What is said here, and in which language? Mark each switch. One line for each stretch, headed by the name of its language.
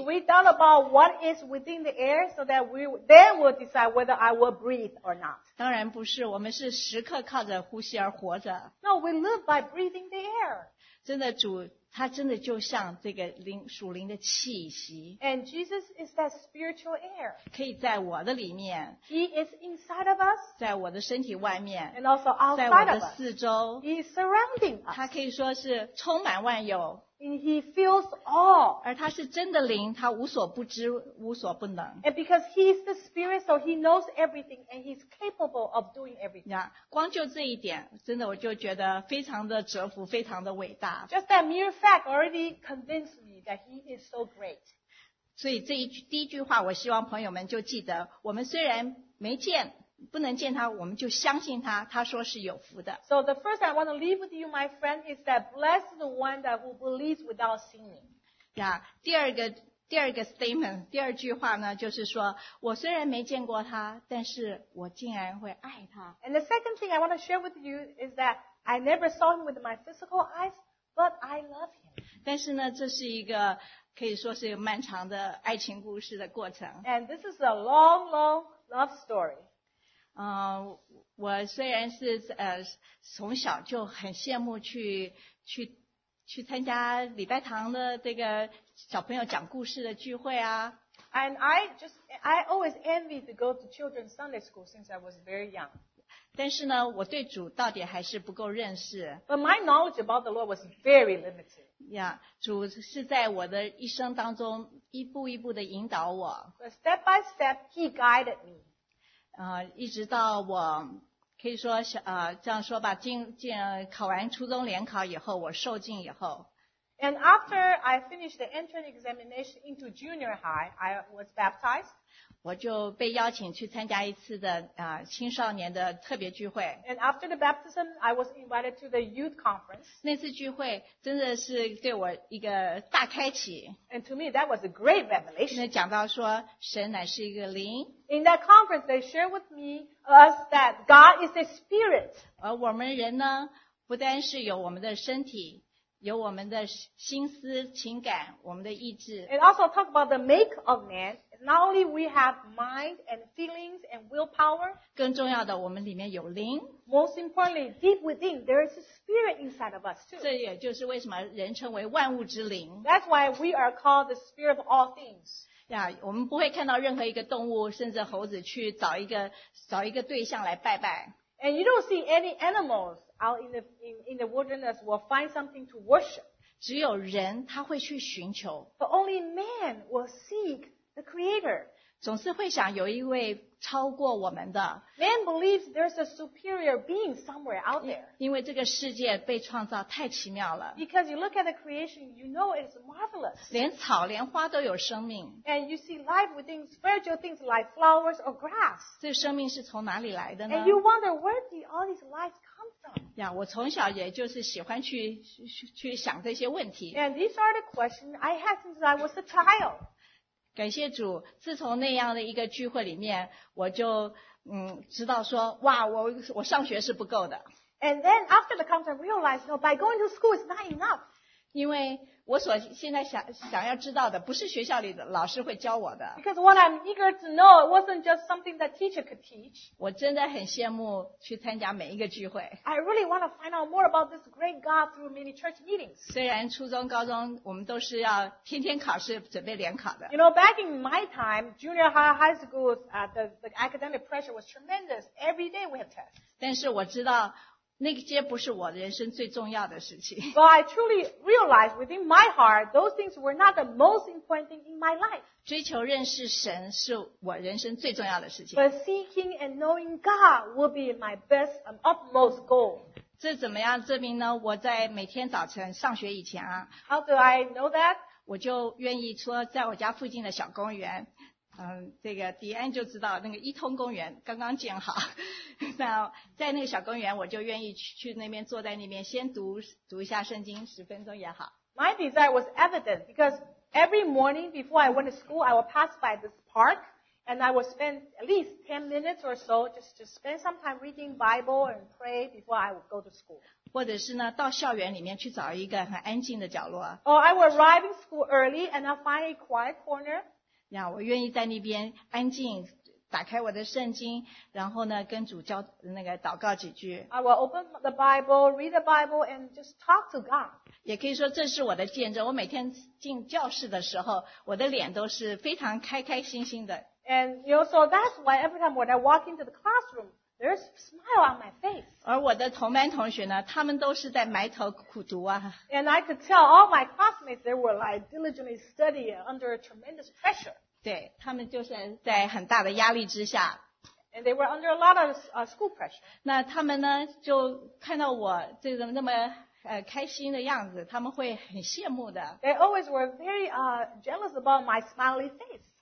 English: We thought about what is within the air so that we then will decide whether I will breathe or not.
Chinese: 当然不是，我们是时刻靠着呼吸而活着。
English: No, we live by breathing the air.
Chinese: 真的主他真的就像这个灵属灵的气息。
English: And Jesus is that spiritual air.
Chinese: 可以在我的里面。
English: He is inside of us.
Chinese: 在我的身体外面。
English: And also outside of us.
Chinese: 在我的四周。
English: He is surrounding us.
Chinese: 他可以说是充满万有。
English: And he fills all.
Chinese: 而他是真的灵，他无所不知，无所不能。
English: And because he is the spirit, so he knows everything, and he's capable of doing everything.
Chinese: Yeah, 光就这一点，真的我就觉得非常的折服，非常的伟大。
English: Just that mere fact already convinced me that he is so great.
Chinese: 所以这一句第一句话，我希望朋友们就记得，我们虽然没见。不能见他，我们就相信他。他说是有福的。
English: So the first I want to leave with you, my friend, is that blessed the one that who believes without seeing.
Chinese: Yeah. 第二个 statement, 第二句话呢，就是说我虽然没见过他，但是我竟然会爱他。
English: And the second thing I want to share with you is that I never saw him with my physical eyes, but I love him.
Chinese: 但是呢，这是一个。可以说是一个漫长的爱情故事的过程。
English: And this is a long, long love story.
Chinese: 我虽然是从小就很羡慕去参加礼拜堂的这个小朋友讲故事的聚会啊。
English: And I always envied to go to children's Sunday school since I was very young.
Chinese: 但是呢，我对主到底还是不够认识。
English: But my knowledge about the Lord was very limited.
Chinese: Yeah, 主是在我的一生当中一步一步的引导我。
English: But step by step, he guided me.
Chinese: 一直到我可以说这样说吧，考完初中联考以后，我受尽以后。
English: And after I finished the entrance examination into junior high, I was baptized.
Chinese: 我就被邀请去参加一次的青少年的特别聚会。
English: And after the baptism, I was invited to the youth conference.
Chinese: 那次聚会真的是对我一个大开启。
English: And to me, that was a great revelation.
Chinese: 讲到说神乃是一个灵。
English: In that conference, they shared with me us that God is a spirit.
Chinese: 而我们人呢，不单是有我们的身体。有我们的心思、情感、我们的意志。
English: It also talks about the make of man. Not only we have mind and feelings and willpower.
Chinese: 更重要的，我们里面有灵。
English: Most importantly, deep within, there is a spirit inside of us too.
Chinese: 这也就是为什么人称为万物之灵。
English: That's why we are called the spirit of all things.
Chinese: 呀，我们不会看到任何一个动物，甚至猴子去找一个对象来拜拜。
English: And you don't see any animals out in the wilderness will find something to worship.
Chinese: 只有人他会去寻求。
English: But only man will seek the creator.
Chinese: 总是会想有一位超过我们的。
English: Man believes there's a superior being somewhere out there.
Chinese: 因为这个世界被创造太奇妙了。
English: Because you look at the creation, you know it's marvelous.
Chinese: 连草连花都有生命。
English: And you see life within fragile things like flowers or grass.
Chinese: 这生命是从哪里来的呢？
English: And you wonder where did all these lives come from?
Chinese: 呀，我从小也就是喜欢去想这些问题。
English: And these are the questions I had since I was a child.
Chinese: 感谢主，自从那样的一个聚会里面，我就知道说，哇，我上学是不够的。
English: And then after the conference, realized, no, by going to school is not enough.
Chinese: 因为我所现在想要知道的，不是学校里的老师会教我的。
English: Because what I'm eager to know wasn't just something that teacher could teach.
Chinese: 我真的很羡慕去参加每一个聚会。
English: I really want to find out more about this great God through many church meetings.
Chinese: 虽然初中、高中我们都是要天天考试，准备联考的。
English: You know, back in my time, junior high, high school, the academic pressure was tremendous. Every day we have tests.
Chinese: 但是我知道。那些不是我人生最重要的事情。
English: But I truly realized within my heart, those things were not the most important thing in my life.
Chinese: 追求认识神是我人生最重要的事情。
English: But seeking and knowing God will be my best and utmost goal.
Chinese: 这怎么样证明呢？我在每天早晨上学以前啊。
English: How do I know that?
Chinese: 我就愿意说在我家附近的小公园。这个迪安就知道那个一通公园刚刚建好。那在那个小公园我就愿意去那边坐在那边先读一下圣经十分钟也好。
English: My desire was evident because every morning before I went to school, I would pass by this park and I would spend at least 10 minutes or so just to spend some time reading Bible and pray before I would go to school.
Chinese: 或者是呢到校园里面去找一个很安静的角落。
English: Or I would arrive in school early and I'd find a quiet corner.
Chinese: 呀，我愿意在那边安静，打开我的圣经，然后呢，跟主教那个祷告几句。
English: I will open the Bible, read the Bible, and just talk to God.
Chinese: 也可以说这是我的见证。我每天进教室的时候，我的脸都是非常开开心心的。
English: And you know, so that's why every time when I walk into the classroom, there's a smile on my face.
Chinese: 而我的同班同学呢，他们都是在埋头苦读啊。
English: And I could tell all my classmates they were like diligently studying under a tremendous pressure.
Chinese: 对，他们就是在很大的压力之下。
English: And they were under a lot of school pressure.
Chinese: 那他们呢，就看到我这种那么开心的样子，他们会很羡慕的。
English: They always were very jealous about my smiley face.